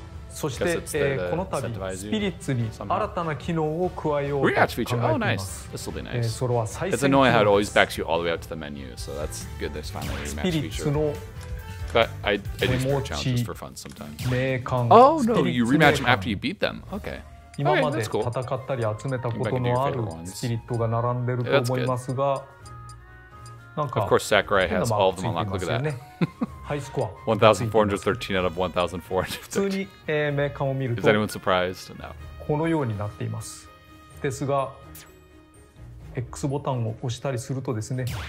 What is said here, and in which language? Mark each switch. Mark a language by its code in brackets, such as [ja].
[ja] そしてこの度スピリッツに新たな機能を加えようと考えています。それは再生機能です。 [en] It's annoying how it always backs you all the way up to the menu, so that's good. There's finally a rematch feature. But I do challenges for fun sometimes. Oh no, you rematch them after you beat them. Okay. Okay, that's cool. [ja] 戦ったり集めたことのあるスピリットが並んでると思いますが、なんか。 [en] Of course, Sakurai has all of them unlocked. Look at that. [ja] ハイスコア。 [en] 1,413 out of 1,413. [ja] 普通にメーカーを見ると。 [en] Is anyone surprised? No. [ja] このようになっています。ですが、X ボタンを押したりするとですね。